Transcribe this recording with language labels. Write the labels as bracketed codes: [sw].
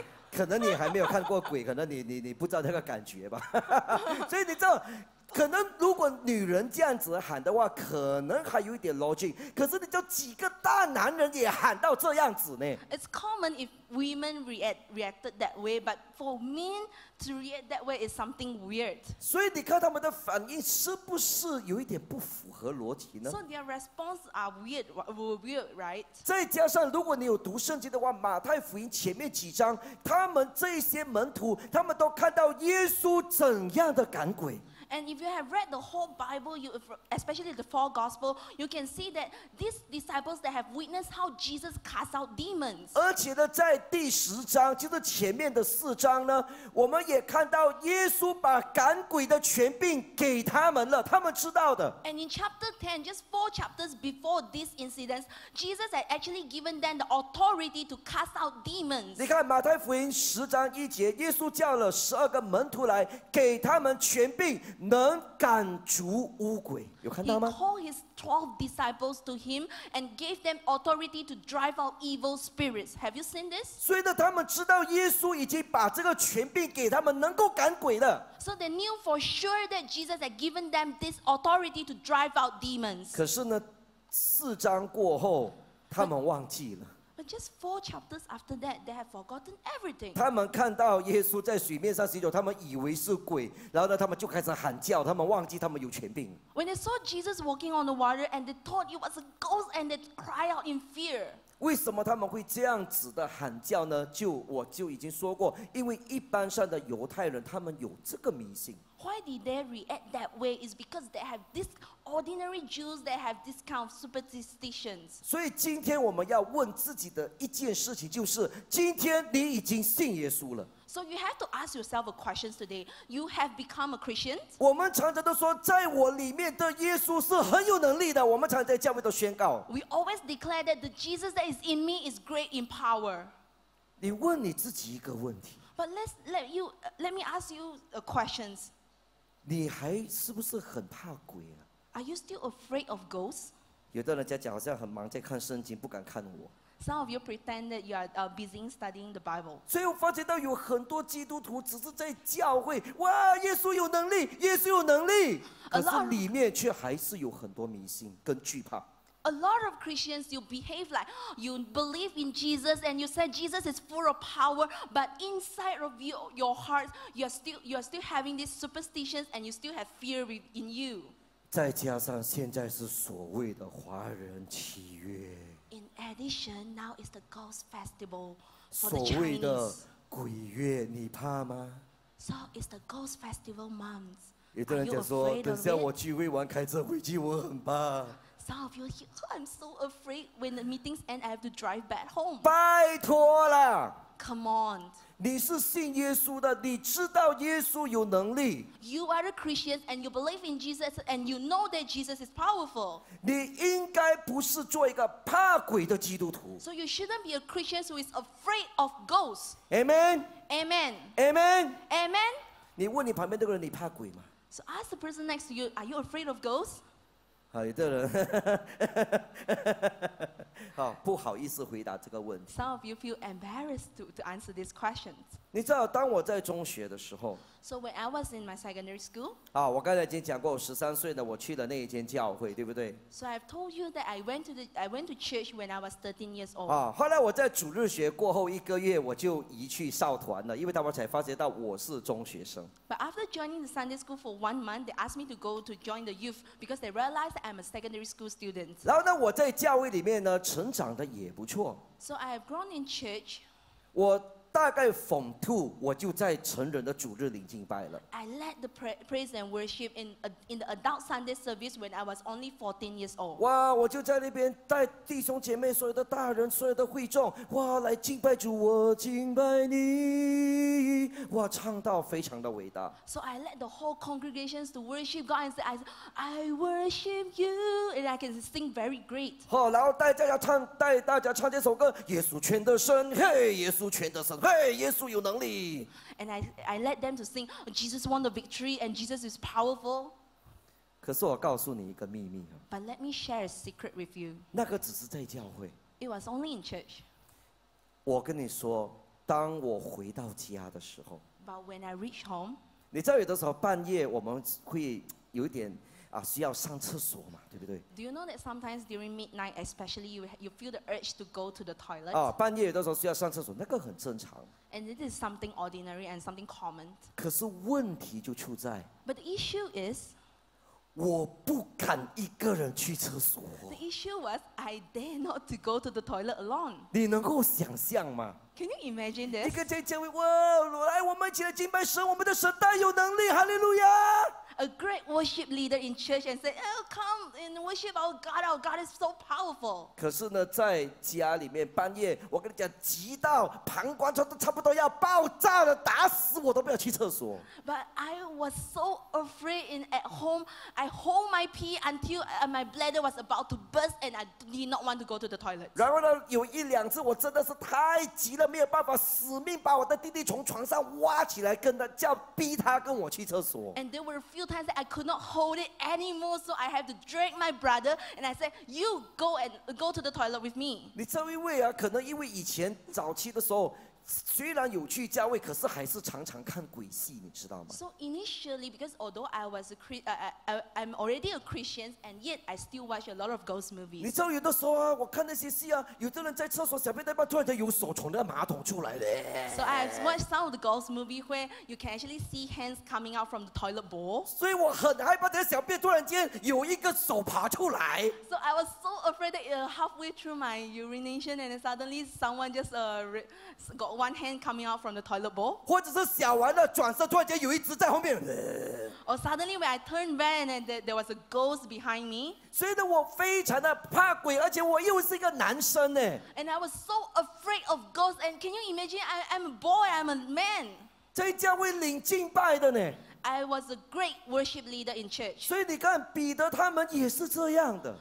[zh] 可能你还没有看过鬼，可能你不知道那个感觉吧。所以你知道，可能如果女人这样子喊的话，可能还有一点 logic。可是你叫几个大男人也喊到这样子呢 [en] ？It's common if women reacted that way, but for men to react that way is something weird. [zh] 所以你看他们的反应是不是有一点不符合逻辑呢 [en] ？So their response are weird, right? [zh] 再加上如果你有读圣经的话，马太福音前面几章，他们这些门徒，他们都看到耶稣怎样的赶鬼。 [en] And if you have read the whole Bible, especially the four Gospels, you can see that these disciples that have witnessed how Jesus cast out demons. [zh] 而且呢，在第十章，就是前面的四章呢，我们也看到耶稣把赶鬼的权柄给他们了，他们知道的。 [en] And in chapter 10, just four chapters before this incident, Jesus had actually given them the authority to cast out demons. [zh] 你看马太福音十章一节，耶稣叫了十二个门徒来，给他们权柄。能赶逐乌鬼，有看到吗 [en] ？He called his 12 disciples to him and gave them authority to drive out evil spirits. Have you seen this? [zh] 所以呢，他们知道耶稣已经把这个权柄给他们，能够赶鬼了。 [en] So they knew for sure that Jesus had given them this authority to drive out demons. [zh] 可是呢，四章过后，他们忘记了。 [en] But just four chapters after that, they have forgotten everything. [zh] 他们看到耶稣在水面上行走，他们以为是鬼，然后呢，他们就开始喊叫，他们忘记他们有权柄。 [en] When they saw Jesus walking on the water, and they thought it was a ghost, and they cried out in fear. [zh] 为什么他们会这样子的喊叫呢？就我就已经说过，因为一般上的犹太人他们有这个迷信。 [en] Why did they react that way? Is because they have this ordinary Jews that have this kind of superstitions. [zh] 所以今天我们要问自己的一件事情就是，今天你已经信耶稣了。 [en] So you have to ask yourself a question today. You have become a Christian. [zh] 我们常常都说，在我里面的耶稣是很有能力的。我们常在教会都宣告。 [en] We always declare that the Jesus that is in me is great in power. [zh] 你问你自己一个问题。 [en] But let me ask you a questions. [zh] 你还是不是很怕鬼啊 [en] ？Are you still afraid of ghosts? [zh] 有的人家讲好像很忙在看圣经，不敢看我。 [en] Some of you pretend that you are busy studying the Bible. [zh] 所以我发现到有很多基督徒只是在教会，哇，耶稣有能力，耶稣有能力，可是里面却还是有很多迷信跟惧怕。 [en] A lot of Christians, you behave like you believe in Jesus and you say Jesus is full of power, but inside of you, your heart, you're still having these superstitions and you still have fear in you. [zh] 再加上现在是所谓的华人七月。 [en] In addition, now is the Ghost Festival for the Chinese. [zh] 所谓的鬼月，你怕吗 [en] ？So is the Ghost Festival month. [zh] 有的人讲说，等下我聚会完开车回去，我很怕。 [en] Some of you are here, I'm so afraid when the meetings end, I have to drive back home. [zh] 拜托了。 [en] Come on. [zh] 你是信耶稣的，你知道耶稣有能力。 [en] You are a Christian and you believe in Jesus and you know that Jesus is powerful. [zh] 你应该不是做一个怕鬼的基督徒。 [en] So you shouldn't be a Christian who is afraid of ghosts. Amen. Amen. Amen. Amen. [zh] 你问你旁边那个人，你怕鬼吗 [en] ？So ask the person next to you, are you afraid of ghosts? [zh] 好，有的人，好，不好意思回答这个问题。 [en] Some of you feel embarrassed to answer these questions. [zh] 你知道，当我在中学的时候 [en] ，So when I was in my secondary school. [zh] 啊，我刚才已经讲过，我十三岁的，我去了那一间教会，对不对 [en] ？So I've told you that I went to church when I was 13 years old. [zh] 啊，后来我在主日学过后一个月，我就移去少团了，因为他们才发觉到我是中学生。 [en] But after joining the Sunday school for one month, they asked me to go to join the youth because they realized that I'm a secondary school student. [zh] 然后呢，我在教会里面呢，成长的也不错。 [en] So I have grown in church. [zh] 我大概 [en] from two [zh] 我就在成人的主日领敬拜了。 [en] I led the praise and worship in the adult Sunday service when I was only 14 years old. [zh] 哇，我就在那边带弟兄姐妹所有的大人所有的会众，哇，来敬拜主，我敬拜你，哇，唱到非常的伟大。 [en] So I led the whole congregations to worship God and say, I worship you, and I can sing very great. [zh] 好，然后带大家唱这首歌，耶稣全的神，嘿，耶稣全的神。 Hey, 耶稣有能力。 [en] And I led them to sing, Jesus won the victory and Jesus is powerful. [zh] 可是我告诉你一个秘密。 [en] But let me share a secret with you. [zh] 那个只是在教会。 [en] It was only in church. [zh] 我跟你说，当我回到家的时候。 [en] But when I reach home. [zh] 你知道有的时候半夜我们会有点啊，需要上厕所嘛，对不对 [en] ？Do you know that sometimes during midnight, especially you feel the urge to go to the toilet? [zh] 啊，半夜有的时候需要上厕所，那个很正常。 [en] And it is something ordinary and something common. [zh] 可是问题就出在。 [en] But the issue is, [zh] 我不敢一个人去厕所。 [en] The issue was I dare not to go to the toilet alone. [zh] 你能够想象吗 [en] ？Can you imagine this? [zh] 一个在教会，哇，来，我们一起来敬拜神，我们的神大有能力，哈利路亚。 [en] A great worship leader in church and say, "Oh, come and worship our God. Our God is so powerful." [zh] 可是呢，在家里面半夜，我跟你讲，急到膀胱都差不多要爆炸了，打死我都不要去厕所。 [en] But I was so afraid in at home. I hold my pee until my bladder was about to burst, and I did not want to go to the toilet. [zh] 然后呢，有一两次我真的是太急了，没有办法，死命把我的弟弟从床上挖起来，跟他叫，逼他跟我去厕所。 [en] And there were few times that I could not hold it anymore, so I have to drag my brother, and I said, "You go to the toilet with me." [zh] 你知道因为啊，可能因为以前早期的时候，虽然有去教会，可是还是常常看鬼戏，你知道吗 [en] ？So initially, because although I was a I'm already a Christian, and yet I still watch a lot of ghost movies. [zh] 你知道有的时候啊，我看那些戏啊，有的人在厕所小便大便，突然间有手从那马桶出来嘞。 [en] So I've watched some of the ghost movies where you can actually see hands coming out from the toilet bowl. [zh] 所以我很害怕，等小便突然间有一个手爬出来。 [en] So I was so afraid that halfway through my urination, and suddenly someone just got one hand coming out from the toilet bowl. [zh] 或者是小完了转身，突然间有一只在后面。 [en] Or suddenly when I turned back and there was a ghost behind me. [zh] 所以呢，我非常的怕鬼，而且我又是一个男生呢。 [en] And I was so afraid of ghosts. And can you imagine? I'm a boy. I'm a man. [zh] 在教会领敬拜的呢。 [en] I was a great worship leader in church. [zh] 所以你看，彼得他们也是这样的。